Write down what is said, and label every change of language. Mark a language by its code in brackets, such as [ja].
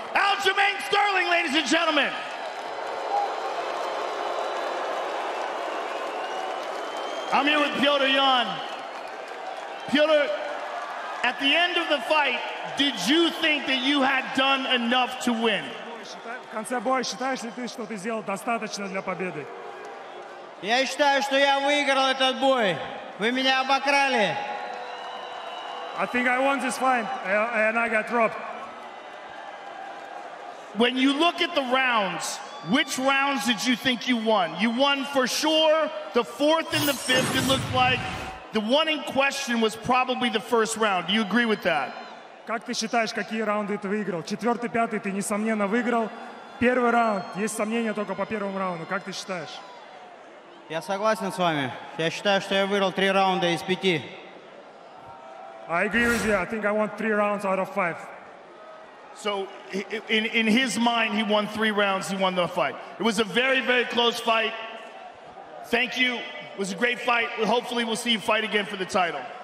[en] Aljamain Sterling, ladies and gentlemen. I'm here with Petr Yan. Petr, at the end of the fight, did you think that you had done enough to win? [ru] В конце боя считаешь ли ты, что ты сделал достаточно для победы? Я считаю, что я выиграл этот бой. Вы меня обокрали. [en] I think I won this fight, and I got dropped. When you look at the rounds, which rounds did you think you won? You won for sure the fourth and the fifth, it looked like. The one in question was probably the first round. Do you agree with that? [ru] Как ты считаешь, какие раунды ты выиграл? Четвертый, пятый ты, несомненно, выиграл. Первый раунд. Есть сомнения только по первому раунду. Как ты считаешь? Я согласен с вами. Я считаю, что я выиграл три раунда из пяти. [en] I agree with you. I think I won three rounds out of five. So, in his mind, he won three rounds. He won the fight. It was a very, very close fight. Thank you. It was a great fight. Hopefully, we'll see you fight again for the title.